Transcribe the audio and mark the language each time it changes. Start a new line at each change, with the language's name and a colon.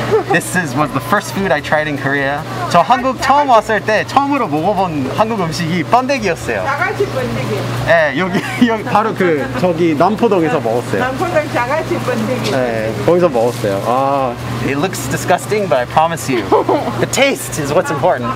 English: This is was the first food I tried in Korea.
Korean: 저 한국 처음 왔을 때 처음으로 먹어본 한국 음식이 번데기였어요. 자갈치 번데기. 예, 여기 바로 그 저기 남포동에서 먹었어요. 남포동 자갈치 번데기. 예, 거기서 먹었어요.
English: 아, it looks disgusting, but I promise you, the taste is what's important.